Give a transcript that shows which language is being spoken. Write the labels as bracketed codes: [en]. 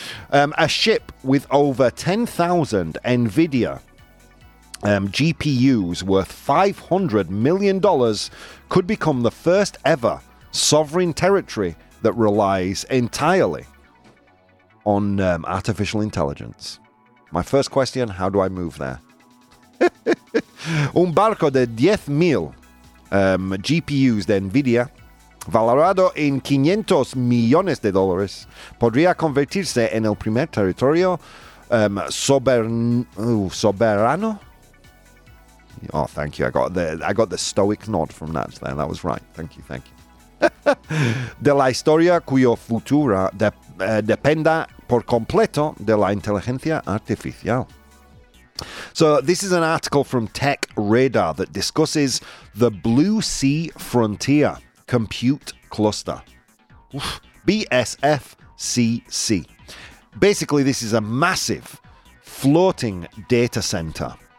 [en] A ship with over 10,000 NVIDIA GPUs worth $500 million could become the first ever sovereign territory that relies entirely on artificial intelligence. My first question, how do I move there? [es] Un barco de 10,000 GPUs de NVIDIA, valorado en 500 millones de dólares, podría convertirse en el primer territorio soberano. [en] Oh, thank you. I got the stoic nod from that there. That was right. Thank you. [es] De la historia cuyo futuro dependa por completo de la inteligencia artificial. [en] So this is an article from Tech Radar that discusses the Blue Sea Frontier Compute Cluster. Oof. BSFCC. Basically, this is a massive floating data center.